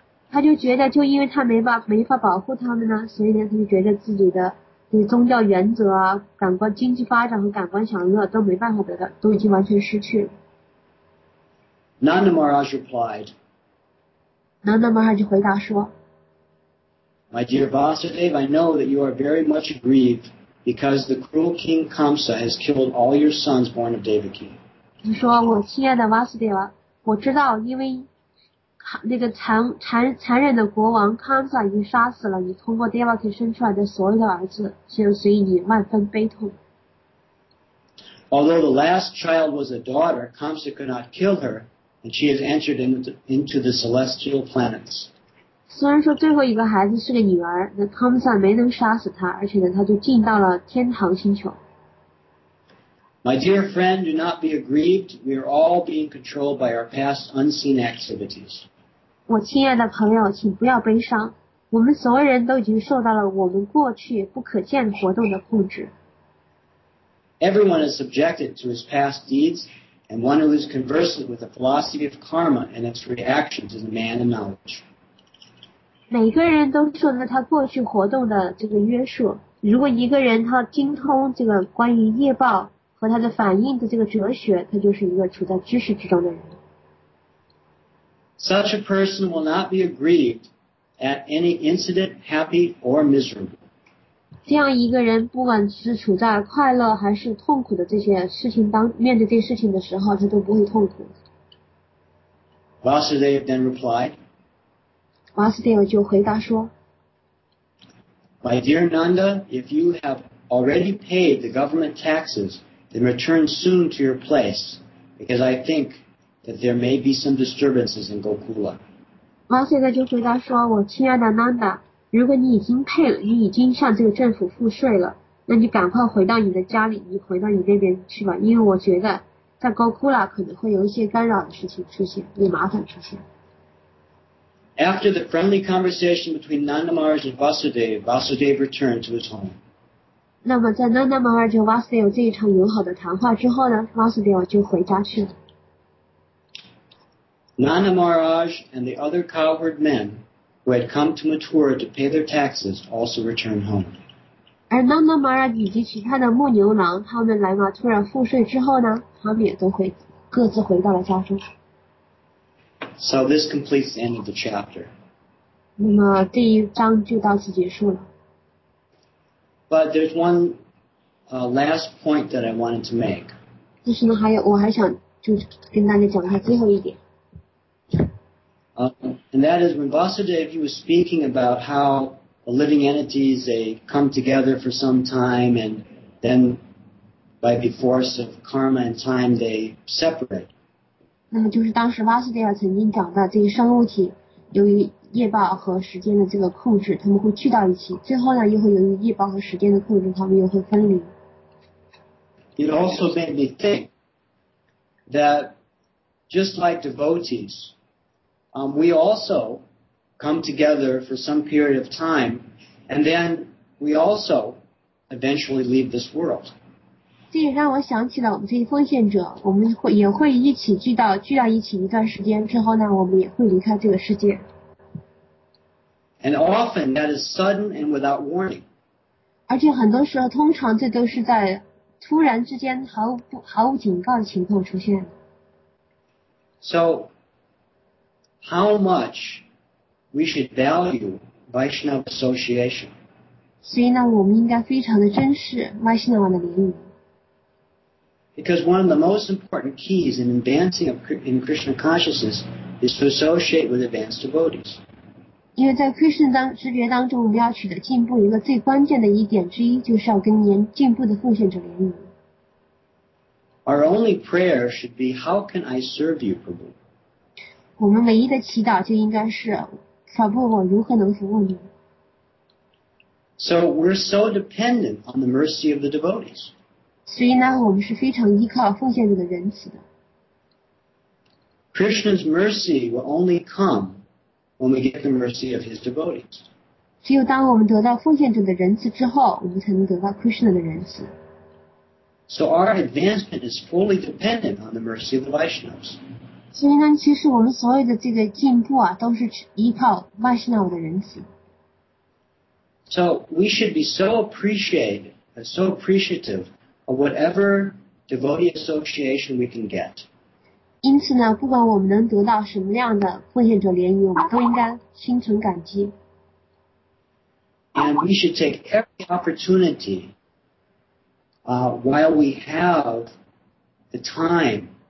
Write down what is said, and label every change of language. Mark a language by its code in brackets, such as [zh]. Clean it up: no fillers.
[zh] 他就觉得就因为他没法保护他们呢，所以呢他就觉得自己的这宗教原则啊、感官经济发展和感官享乐都没办法得到，都已经完全失去了。 [en] Nanda Maharaj replied. [zh] Nanda Maharaj 回答说 [en] My dear Vasudeva, I know that you are very much grieved because the cruel king Kamsa has killed all your sons born of Devaki. [zh] 你说我亲爱的 Vasudeva, 我知道因为那个残忍的国王康萨已经杀死了你通过 Devaki 生出来的所有的儿子，就所以你万分悲痛。 [en] Although the last child was a daughter, Kamsa could not kill her, and she has entered into the celestial planets. [zh] 虽然说最后一个孩子是个女儿，那汤姆萨没能杀死她，而且呢，她就进到了天堂星球。 [en] My dear friend, do not be aggrieved. We are all being controlled by our past unseen activities. [zh] 我亲爱的朋友，请不要悲伤。我们所有人都已经受到了我们过去不可见活动的控制。 [en] Everyone is subjected to his past deeds, and one who is conversant with the philosophy of karma and its reactions is a man of knowledge. [zh] 每个人都受到他过去活动的这个约束。如果一个人他精通这个关于业报和他的反应的这个哲学，他就是一个处在知识之中的人。 [en] Such a person will not be aggrieved at any incident, happy or miserable. [zh] 这样一个人不管是处在快乐还是痛苦的这些事情当面对这些事情的时候，他都不会痛苦。 [en] Vasudeva then replied, [zh] Vasudeva 就回答说， [en] My dear Nanda, if you have already paid the government taxes, then return soon to your place, because I think that there may be some disturbances in Gokula. [zh] Vasudeva 就回答说，我亲爱的 Nanda,如果你已经配了，你已经向这个政府付税了，那你赶快回到你的家里，你回到你那边去吧，因为我觉得在Gokula可能会有一些干扰的事情出现，有麻烦出现。 [en] After the friendly conversation between Nanda Maharaj and Vasudeva, Vasudeva returned to his home. [zh] 那么在 Nanda Maharaj 和 Vasudeva 这一场友好的谈话之后呢， Vasudeva 就回家去了。 [en] Nanda Maharaj and the other cowherd men,who had come to Mathura to pay their taxes, also returned home. [zh] 而 Nanda Maharaj 以及其他的牧牛郎，他们来Mathura付税之后呢，他们也都会各自回到了家中。 [en] So this completes the end of the chapter. [zh] 那么第一章就到此结束了。 [en] But there's one last point that I wanted to make. [zh] 就是呢，还有我还想就跟大家讲一下最后一点。 [en] And that is when Vasudeva was speaking about how the living entities, they come together for some time and then by the force of karma and time, they separate. [zh] 那么就是当时 Vasudeva 曾经讲到这些生物体由于业报和时间的这个控制他们会聚到一起，最后呢又会由于业报和时间的控制他们又会分离。 [en] It also made me think that just like devotees,we also come together for some period of time, and then we also eventually leave this world. [zh] 这也让我想起了我们这些奉献者，我们会也会一起聚到一起一段时间，之后呢，我们也会离开这个世界。 [en] And often that is sudden and without warning. [zh] 而且很多时候，通常这都是在突然之间毫无警告的情况出现。 [en] So. How much we should value Vaishnava Association. [zh] 所以呢，我们应该非常的珍视 Vaishnava 的联谊。 [en] Because one of the most important keys in advancing in Krishna consciousness is to associate with advanced devotees. [zh] 因为在 Krishna 识别当中，我们要取得进步，一个最关键的一点之一，就是要跟年进步的奉献者联谊。 [en] Our only prayer should be, "How can I serve you, Prabhu?" [zh] 我们唯一的祈祷就应该是，小布，我如何能服务你 [en] ？So we're so dependent on the mercy of the devotees. [zh] 所以呢，我们是非常依靠奉献者的仁慈的。 [en] Krishna's mercy will only come when we get the mercy of his devotees. [zh] 只有当我们得到奉献者的仁慈之后，我们才能得到 Krishna 的仁慈。 [en] So our advancement is fully dependent on the mercy of the Vaishnavas. [zh] 所以呢，其实我们所有的这个进步啊，都是依靠 Vaishnava 的仁慈。 [en] So we should be so appreciated, so appreciative of whatever devotee association we can get. [zh] 因此呢，不管我们能得到什么样的奉献者联谊，我们都应该心存感激。 [en] And we should take every opportunity, while we have the time.